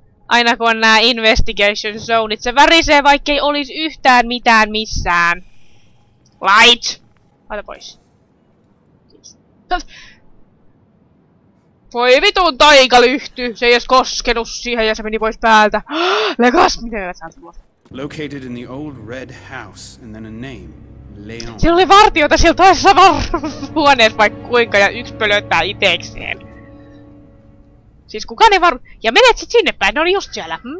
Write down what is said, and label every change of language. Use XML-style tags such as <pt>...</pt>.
<fi>Aina kun on nää Investigation Zoneit, se värisee vaikkei olis yhtään mitään missään.</fi> <en>Light!</en> <fi>Laita pois. Voi vitun taikalyhty! Se ei edes koskenut siihen ja se meni pois päältä. Legas! Miten mä saan tulla?</fi> <en>Located in the old red house, and then a name, Leon.</en> <fi>Siellä oli vartijoita siellä toisessa huoneessa vaikka kuinka, ja yks pölöttää itekseen. Siis kuka ne var... Ja menet sit sinne päin, ne oli just siellä.</fi>